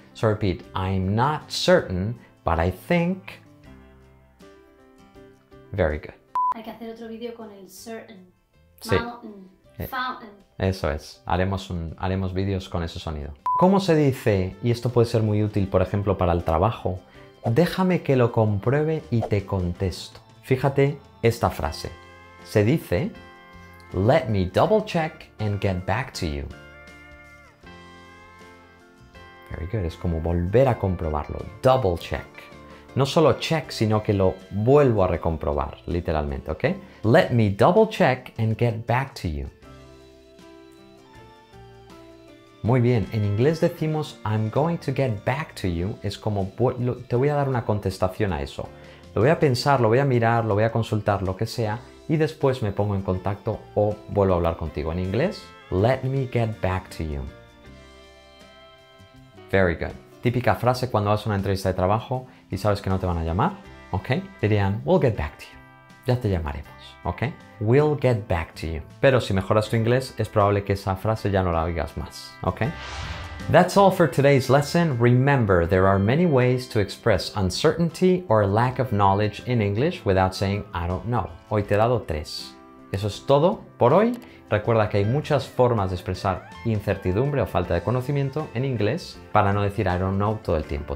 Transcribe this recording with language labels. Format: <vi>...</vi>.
<en>So repeat, I'm not certain, but I think, very good.</en> <es>Hay que hacer otro vídeo con el certain, mountain, sí.</es> <en>Fountain.</en> <es>Eso es, haremos vídeos con ese sonido. ¿Cómo se dice, y esto puede ser muy útil, por ejemplo, para el trabajo, déjame que lo compruebe y te contesto? Fíjate esta frase, se dice...</es> <en>Let me double check and get back to you. Very good.</en> <es>Es como volver a comprobarlo.</es> <en>Double check.</en> <es>No solo check, sino que lo vuelvo a recomprobar, literalmente, ¿ok?</es> <en>Let me double check and get back to you.</en> <es>Muy bien. En inglés decimos,</es> <en>I'm going to get back to you.</en> <es>Es como, te voy a dar una contestación a eso. Lo voy a pensar, lo voy a mirar, lo voy a consultar, lo que sea. Y después me pongo en contacto o vuelvo a hablar contigo. En inglés,</es> <en>let me get back to you. Very good.</en> <es>Típica frase cuando vas a una entrevista de trabajo y sabes que no te van a llamar, ¿ok? Dirían,</es> <en>we'll get back to you.</en> <es>Ya te llamaremos, ¿ok?</es> <en>We'll get back to you.</en> <es>Pero si mejoras tu inglés, es probable que esa frase ya no la oigas más, ¿ok?</es> <en>That's all for today's lesson. Remember, there are many ways to express uncertainty or lack of knowledge in English without saying, I don't know.</en> <es>Hoy te he dado tres. Eso es todo por hoy. Recuerda que hay muchas formas de expresar incertidumbre o falta de conocimiento en inglés para no decir</es> <en>I don't know</en> <es>todo el tiempo.</es>